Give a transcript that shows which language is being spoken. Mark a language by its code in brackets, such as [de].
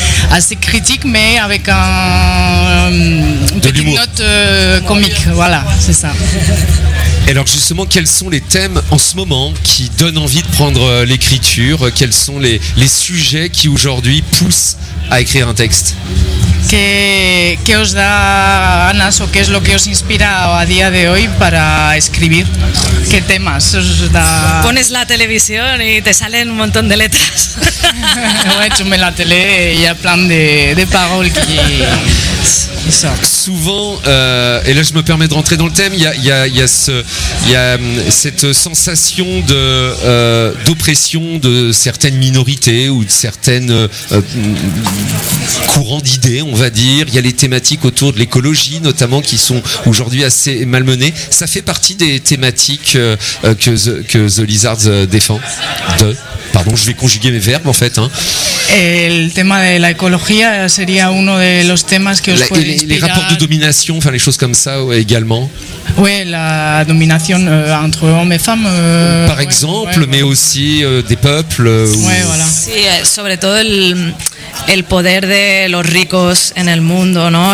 [fr] Assez critique, mais avec une petite note comique. Voilà, c'est ça. Et alors justement, quels sont les thèmes en ce moment qui donnent envie de prendre l'écriture? Quels sont les sujets qui aujourd'hui poussent à écrire un texte? [es] ¿Qué os da ganas o qué es lo que os inspira a día de hoy para escribir? ¿Qué temas os da? Pones la televisión y te salen un montón de letras. [fr] Ouais, tu mets la télé et il y a plein de paroles qui sortent. Souvent, et là je me permets de rentrer dans le thème, il y a cette sensation d'oppression de certaines minorités ou de certaines courants d'idées, on va dire. Il y a les thématiques autour de l'écologie notamment qui sont aujourd'hui assez malmenées. Ça fait partie des thématiques que The Lizards défend de... Pardon, je vais conjuguer mes verbes en fait. Hein. [es] El tema de la ecología sería uno de los temas que os puede inspirar. [fr] Les rapports de domination, enfin les choses comme ça également. Oui, la domination entre hommes et femmes. Par exemple, mais aussi des peuples. Ouais, voilà. [es] Sí, sobre todo el el poder de los ricos en el mundo, ¿no?